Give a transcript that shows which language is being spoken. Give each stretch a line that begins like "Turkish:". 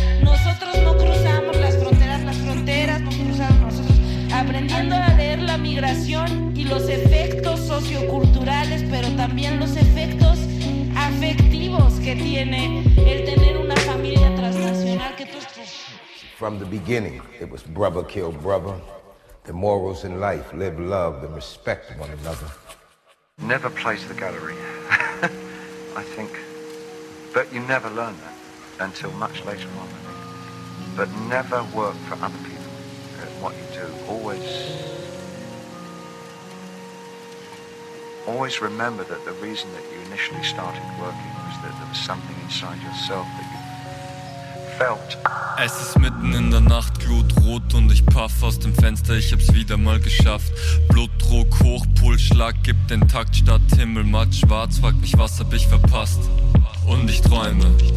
Spanish: Nosotros no cruzamos las fronteras no cruzamos nosotros. Aprendiendo a leer la migración y los efectos socioculturales, pero también los efectos afectivos que tiene el tener una familia transnacional que tú estás.
English: From the beginning, it was brother kill brother. The morals in life, live love and respect one another. Never place the gallery. I think. But you never learn that until much later on, I think. But never work for other people. What you do, always remember that the reason that you initially started working was that there was something inside yourself that you felt
German: Es ist mitten in der Nacht, glutrot und ich puff aus dem Fenster, ich hab's wieder mal geschafft. Blutdruck hoch, Pulsschlag gibt den Takt, statt Himmel matt schwarz, fragt mich, was hab ich verpasst. Und ich träume.